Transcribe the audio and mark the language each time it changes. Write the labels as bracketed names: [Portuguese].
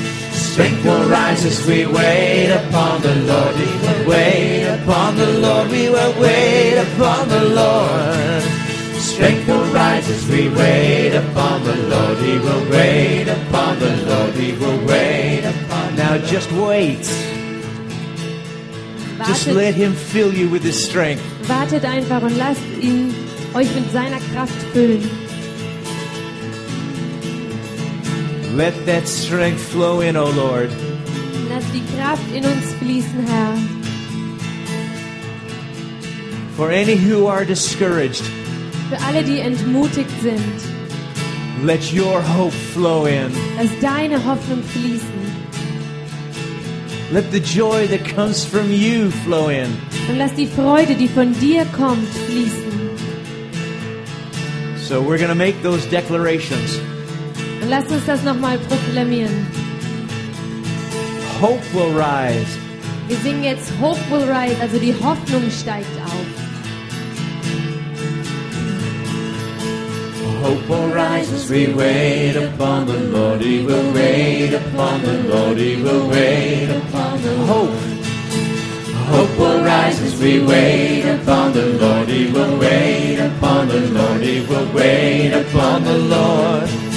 [English] Strength will rise as we wait upon the Lord, he will wait upon the Lord, we will wait upon the Lord. Strength will rise as we wait upon the Lord. He will wait upon the Lord. He will wait upon. Now just wait. Just let him fill you with his strength. [German] Wartet einfach und lasst ihn euch mit seiner Kraft füllen. [English] Let that strength flow in, O Lord. [German] Lass die Kraft in uns fließen, Herr. [English] For any who are discouraged, [German] für alle, die entmutigt sind, [English] let your hope flow in. [German] Lass deine Hoffnung fließen. [English] Let the joy that comes from you flow in. [German] Und lass die Freude, die von dir kommt, fließen. [English] So we're gonna make those declarations. [German] Und lass uns das nochmal proklamieren. [English] Hope will rise. [German] Wir singen jetzt [English] Hope will rise, [German] also die Hoffnung steigt auf. [English] Hope will rise as we wait upon the Lord. He will wait upon the Lord. He will wait upon the Lord. Hope. Hope will rise as we wait upon the Lord. He will wait upon the Lord. He will wait upon the Lord.